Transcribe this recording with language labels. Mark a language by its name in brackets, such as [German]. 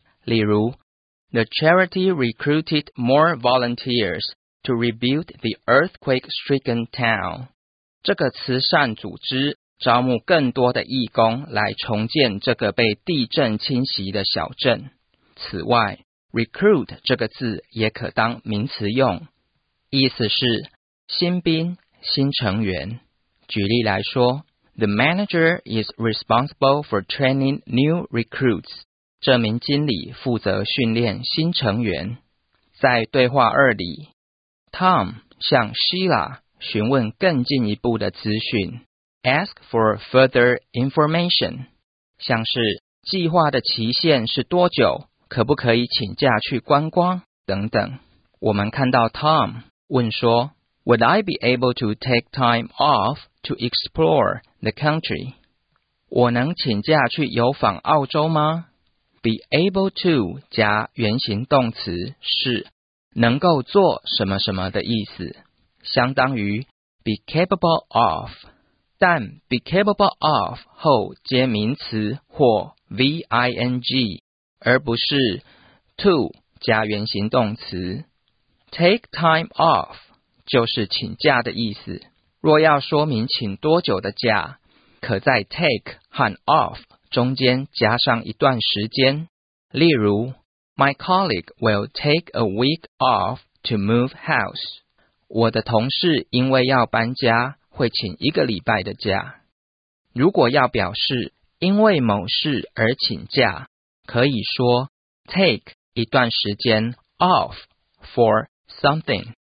[Chinese] 例如 [English] ,The charity recruited more volunteers to rebuild the earthquake-stricken town. [Chinese] 这个慈善组织招募更多的义工来重建这个被地震侵袭的小镇。此外 ,recruit 这个字也可当名词用，意思是新兵、新成员。举例来说 [English] ,The manager is responsible for training new recruits. [Chinese] 这名经理负责训练新成员。在对话二里 ,Tom 向 Sheila 询问更进一步的资讯。 [English] Ask for further information, [Chinese] 像是计划的期限是多久，可不可以请假去观光等等。我们看到 [English] Tom [Chinese] 问说 [English] ,Would I be able to take time off to explore the country? [Chinese] 我能请假去游访澳洲吗？Be able to 加原形动词是能够做什么什么的意思，相当于 be capable of。但 be capable of 后接名词或 ving, 而不是 to 加原形动词。 Take time off 就是请假的意思。若要说明请多久的假，可在 take 和 off 中间加上一段时间。例如 [English] ,My colleague will take a week off to move house. [Chinese] 我的同事因为要搬家会请一个礼拜的假。如果要表示因为某事而请假，可以说 take 一段时间 off for something。